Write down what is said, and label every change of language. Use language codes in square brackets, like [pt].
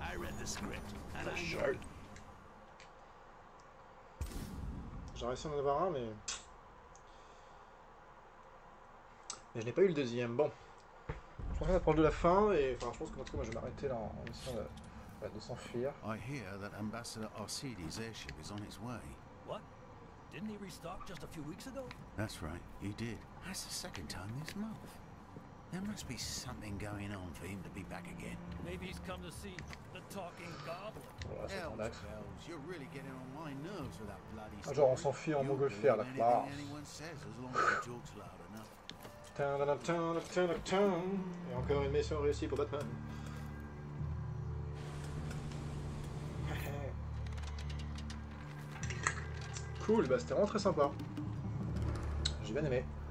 [en] I read the script and I shot. [fr] J'aurais essayé d'en avoir un, mais... Mais je n'ai pas eu le deuxième. Bon. Je pense qu'on approche de la fin, et enfin, je pense que moi, je vais m'arrêter là en essayant de s'enfuir. [en] I hear that Ambassador Arcidi's airship is on its way. What? Didn't he restock just a few weeks ago? That's right, he did. That's the second time this month. There must be something going on for him to be back again. Maybe he's come to see the talking goblin. Elves, you're really getting on my nerves with that bloody story. [fr] Genre on s'enfuit en montgolfière là. [en] Anything anyone says as long as he talks loud enough. Tum-tum-tum-tum-tum-tum. [fr] Et encore une mission réussie pour Batman. Cool, bah c'était vraiment très sympa. J'ai bien aimé.